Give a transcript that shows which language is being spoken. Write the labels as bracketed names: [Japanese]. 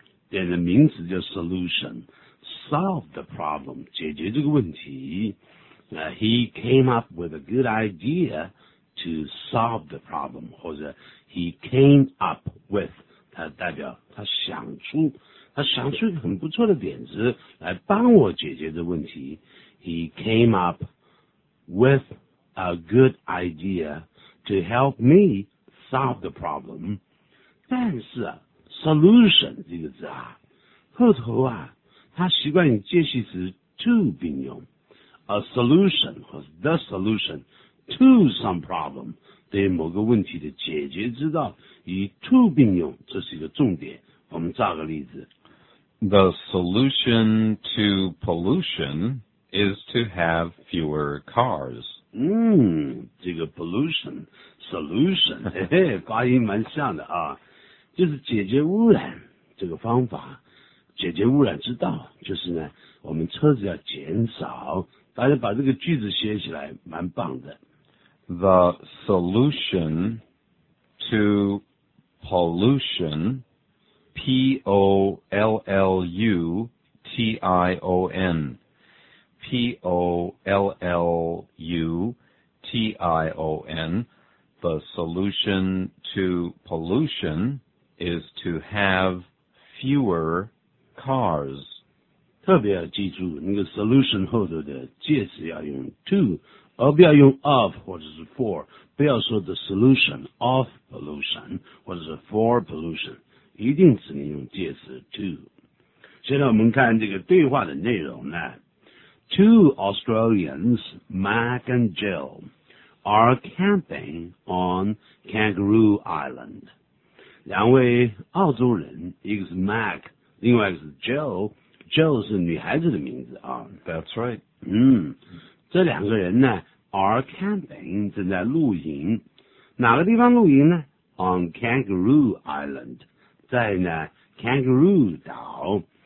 [Chinese] 变成名词叫 solution, solve the problem, 解决这个问题。 [English] He came up with a good idea to solve the problem, [Chinese] 或者 [English] he came up with, [Chinese] 它代表他想出一个很不错的点子来帮我解决这个问题。 [English] He came up with,a good idea to help me solve the problem. [Chinese] 但是 solution 这个字啊，后头啊，它习惯于介系词 to 并用。 A solution 或 [English] the solution to some problem， [Chinese] 对某个问题的解决之道以 to 并用，这是一个重点。我们造个例子。 [English] The solution to pollution is to have fewer cars. [Chinese] 这个 pollution, solution, 发音蛮像的啊，就是解决污染这个方法，解决污染之道就是呢，我们车子要减少，大家把这个句子写起来蛮棒的。 [English] The solution to pollution, P-O-L-L-U-T-I-O-N,P-O-L-L-U-T-I-O-N, the solution to pollution is to have fewer cars. [Chinese] 特别要记住那个 solution 后头的介词要用 to, 而不要用 of 或者是 for, 不要说 [English] the solution of pollution [Chinese] 或者是 [English] for pollution, [Chinese] 一定只能用介词 to. 现在我们看这个对话的内容呢， [English] Two Australians, Mac and Jill, are camping on Kangaroo Island. [Chinese] 两位澳洲人，一个是 Mac, 另外一个是 Jill. Jill 是女孩子的名字啊。 [English] That's right. [Chinese] 这两个人呢 , [English] are camping, [Chinese] 正在露营。哪个地方露营呢 ?On Kangaroo Island, 在呢 ,Kangaroo 岛。